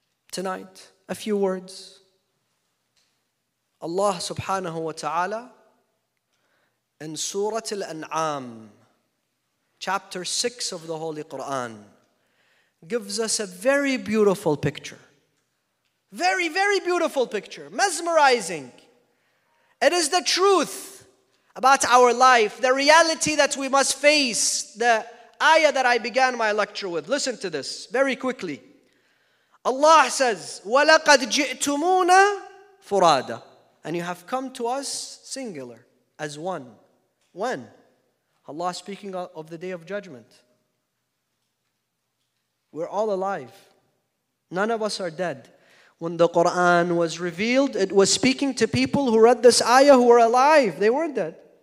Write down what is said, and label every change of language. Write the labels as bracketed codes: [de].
[en] Tonight, a few words. Allah subhanahu wa ta'ala in Surah Al-An'am, chapter 6 of the Holy Quran, gives us a very beautiful picture. Very, very beautiful picture. Mesmerizing. It is the truth about our life, the reality that we must face, the ayah that I began my lecture with. Listen to this very quickly. Allah says, [ar] وَلَقَدْ جِئْتُمُونَ فُرَادَ. [en] And you have come to us singular, as one. When? Allah speaking of the day of judgment. We're all alive. None of us are dead. When the Quran was revealed, it was speaking to people who read this ayah who were alive. They weren't dead.